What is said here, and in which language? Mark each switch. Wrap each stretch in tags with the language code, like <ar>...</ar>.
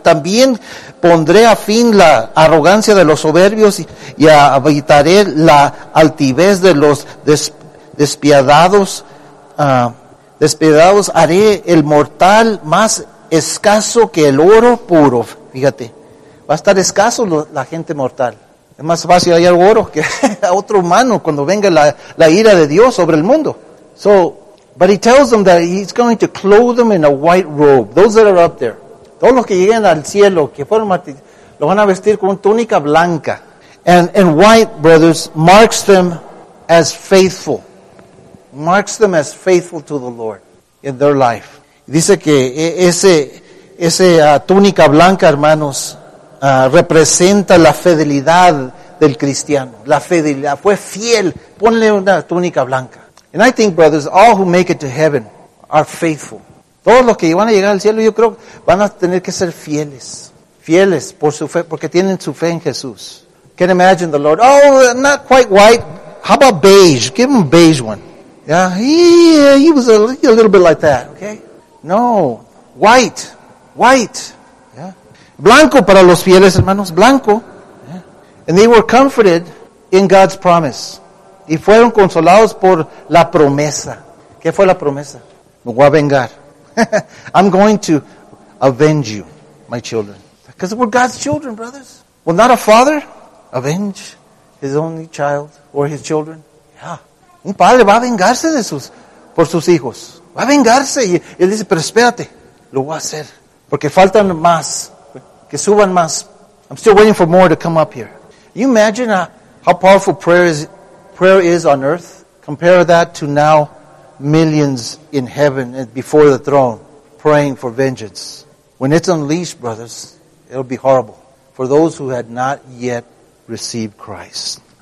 <es>También pondré a fin la arrogancia de los soberbios y habitaré la altivez de los despiadados. Despiadados haré el mortal más escaso que el oro puro. Fíjate, va a estar escaso la gente mortal. Es más fácil hallar oro que a otro humano cuando venga la ira de Dios sobre el mundo.</es> <en>So, but he tells them that he's going to clothe them in a white robe. Those that are up there.</en> <es>Todos los que lleguen al cielo, que fueron martirizados, los van a vestir con túnica blanca.</es> <en>And white, brothers, marks them as faithful. Marks them as faithful to the Lord in their life.</en> <es>Dice que esa túnica blanca, hermanos, representa la fidelidad del cristiano. La fidelidad. Fue fiel. Ponle una túnica blanca.</es> <en>And I think, brothers, all who make it to heaven are faithful.</en> <es>Todos los que van a llegar al cielo, yo creo, van a tener que ser fieles. Fieles por su fe, porque tienen su fe en Jesús.</es> <en>Can imagine the Lord. Oh, not quite white. How about beige? Give him a beige one. Yeah, he was a little bit like that, okay? No, white. White.</en> <es>Blanco para los fieles, hermanos, blanco. Yeah.</es> <en>And they were comforted in God's promise.</en> <es>Y fueron consolados por la promesa. ¿Qué fue la promesa? Me voy a vengar.</es> <en>I'm going to avenge you, my children. Because we're God's children, brothers. Will not a father avenge his only child or his children? Yeah.</en> <es>Un padre va a vengarse de sus, por sus hijos. Va a vengarse. Y él dice, pero espérate, lo voy a hacer. Porque faltan más. Que suban más.</es> <en>I'm still waiting for more to come up here. You imagine how powerful prayer is on earth? Compare that to now millions in heaven and before the throne praying for vengeance. When it's unleashed, brothers, it'll be horrible for those who had not yet received Christ.</en>